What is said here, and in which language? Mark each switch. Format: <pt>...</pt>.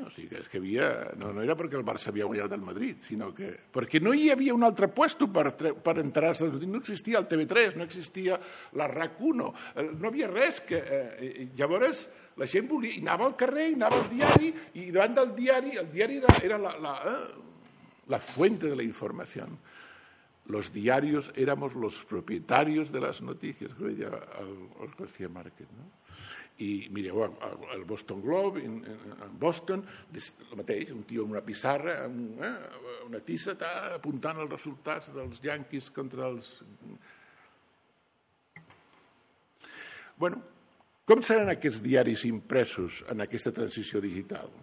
<ca>O sigui, és que havia, no era perquè el Barça havia guanyat el Madrid, sinó que perquè no hi havia un altre puesto per entrar-se. No existia el TV3, no existia la RAC1, no havia res. Llavors, la gent volia, i anava al carrer, i anava al diari, i davant del diari, el diari era la fuente de la informació.</ca> <es>Los diarios éramos los propietarios de las noticias, que veía el García Márquez, ¿no? Y mire, el Boston Globe, en Boston, lo mateix, un tío en una pizarra, una tiza,</es> <ca>apuntant els resultats dels Yankees contra els... Bueno, com seran aquests diaris impresos en aquesta transició digital?</ca>